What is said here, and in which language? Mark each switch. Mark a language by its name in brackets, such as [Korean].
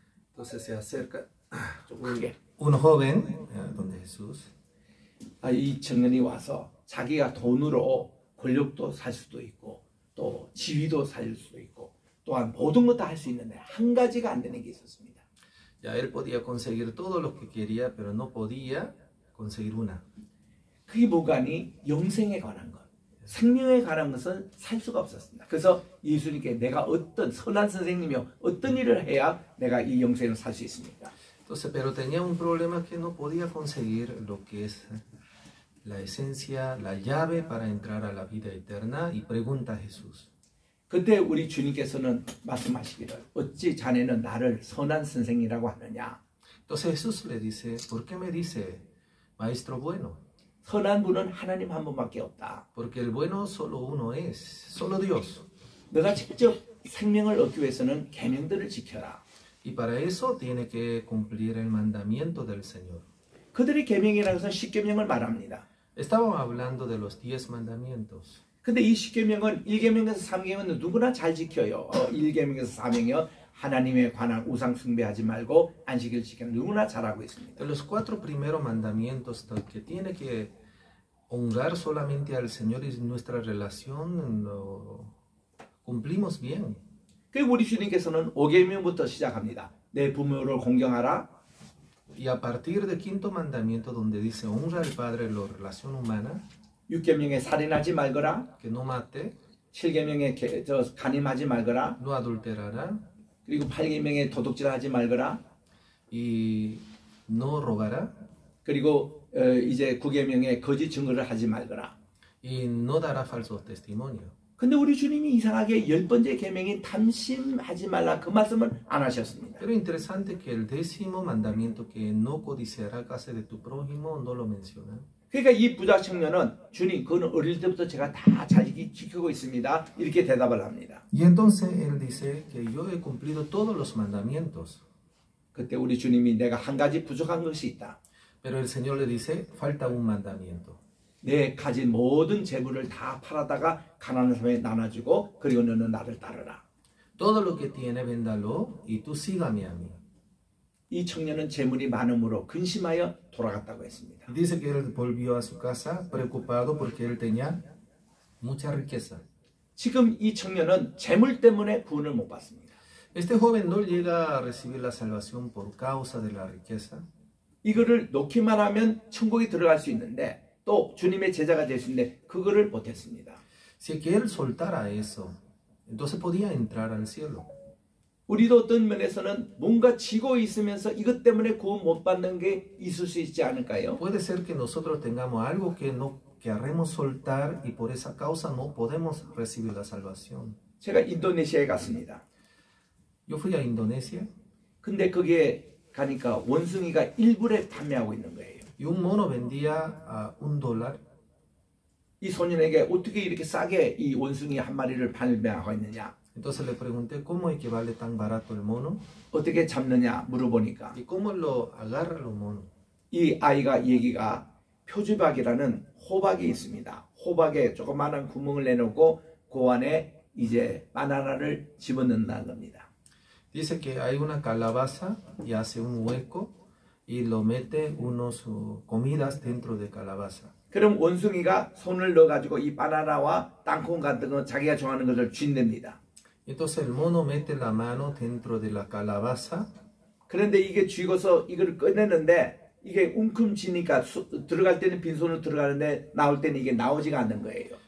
[Spanish] Entonces se acerca [Korean] 좀 크게 [Spanish] un joven donde Jesús [Korean] 이 청년이 와서 자기가 돈으로 권력도 살 수도 있고 또 지위도 살 수도 있고 또한 모든 것 다 할 수 있는데 한 가지가 안 되는 게 있었습니다. [Spanish] Ya él podía conseguir todo lo que quería, pero no podía conseguir una. [Korean] 그 보관이 영생에 관한 것, 생명에 관한 것을 살 수가 없었습니다. 그래서 예수님께 내가 어떤 선한 선생님이요, 어떤 일을 해야 내가 이 영생을 살 수 있습니까? [Spanish] Entonces, pero tenía un problema que no podía conseguir lo que es la esencia, la llave para entrar a la vida eterna y pregunta a Jesús. [Korean] 그때 우리 주님께서는 말씀하시기를 어찌 자네는 나를 선한 선생이라고 하느냐? [Spanish] Entonces Jesús le dice, ¿por qué me dice maestro bueno? [Korean] 선한 분은 하나님 한 분밖에 없다. [Spanish] Porque el bueno solo uno es, solo Dios. [Korean] 내가 직접 생명을 얻기 위해서는 계명들을 지켜라. [Spanish] Y para eso tiene que cumplir el mandamiento del Señor. [Korean] 그들이 계명이라고 해서 십계명을 말합니다. [Spanish] Estábamos hablando de los diez mandamientos. [Korean] 근데 20계명은 1계명에서 3계명은 누구나 잘 지켜요. 1계명에서 4계명 하나님에 관한 우상 숭배하지 말고 안식일 지켜. 누구나 잘하고 있습니다. [Spanish] Los cuatro primeros mandamientos que tiene que honrar solamente al Señor y nuestra relación lo cumplimos bien. [Korean] 그 우리 주님께서는 5계명부터 시작합니다. 내 부모를 공경하라. [Spanish] Y a partir del quinto mandamiento donde dice honra al padre la relación humana. [Korean] 6계명에 살인하지 말거라. [Spanish] Que no mate. [Korean] 7계명에 간음하지 말거라. [Spanish] No adulterará. [Korean] 그리고 8계명에 도둑질하지 말거라. [Spanish] Y no robará. [Korean] 그리고 이제 9계명에 거짓 증거를 하지 말거라. [Spanish] Y no dará falso testimonio. [Korean] 근데 우리 주님이 이상하게 열 번째 계명인 탐심하지 말라 그 말씀을 안 하셨습니다. [Spanish] Pero interesante que el décimo mandamiento que no codiciará casa de tu prójimo no lo menciona. [Korean] 그러니까 이 부자 청년은 주님 그건 어릴 때부터 제가 다 잘 지키고 있습니다. 이렇게 대답을 합니다. [Spanish] Y entonces él dice que yo he cumplido todos los mandamientos. [Korean] 그때 우리 주님이 내가 한 가지 부족한 것이 있다. [Spanish] Pero el Señor le dice falta un mandamiento. [Korean] 내 가진 모든 재물을 다 팔아다가 가난한 사람에 나눠주고 그리고 너는 나를 따르라. [Spanish] Todo lo que tiene véndalo y tú sígame a mí. [Korean] 이 청년은 재물이 많음으로 근심하여 돌아갔다고 했습니다. [Spanish] Dice que él volvió a su casa preocupado porque él tenía mucha riqueza. [Korean] 지금 이 청년은 재물 때문에 구원을 못 받습니다. [Spanish] Este joven no llega a recibir la salvación por causa de la riqueza. [Korean] 이거를 놓기만 하면 천국에 들어갈 수 있는데 또 주님의 제자가 될 수 있는데 그거를 못했습니다. [Spanish] Si él soltara eso, entonces podía entrar al cielo. [Korean] 우리도 어떤 면에서는 뭔가 지고 있으면서 이것 때문에 구원 못 받는 게 있을 수 있지 않을까요? [Spanish] Puede ser que nosotros tengamos algo que no queremos soltar y por esa causa no podemos recibir la salvación. [Korean] 제가 인도네시아에 갔습니다. [Spanish] Yo fui a Indonesia. [Korean] 근데 거기에 가니까 원숭이가 1불에 판매하고 있는 거예요. [Spanish] Y un mono vendía a un dólar. [Korean] 이 소년에게 어떻게 이렇게 싸게 이 원숭이 한 마리를 판매하고 있느냐? [Spanish] Entonces le pregunté cómo es que vale tan barato el mono. [Korean] 어떻게 잡느냐 물어보니까. [Spanish] ¿Y cómo lo agarra el mono? [Korean] 이 아이가 얘기가 표지박이라는 호박이 있습니다. 호박에 조그마한 구멍을 내놓고 그 안에 이제 바나나를 집어넣는다는 겁니다. [Spanish] Dice que hay una calabaza y hace un hueco. Y lo mete unos comidas dentro de calabaza. [Korean] 그럼 원숭이가 손을 넣어가지고 이 바나나와 땅콩 같은 거 자기가 좋아하는 것을 쥐냅니다. [Spanish] Entonces el mono mete la mano dentro de la calabaza. [Korean] 그런데 이게 쥐고서 이걸 꺼내는데 이게 움큼쥐니까 들어갈 때는 빈손으로 들어가는데 나올 때는 이게 나오지가 않는 거예요.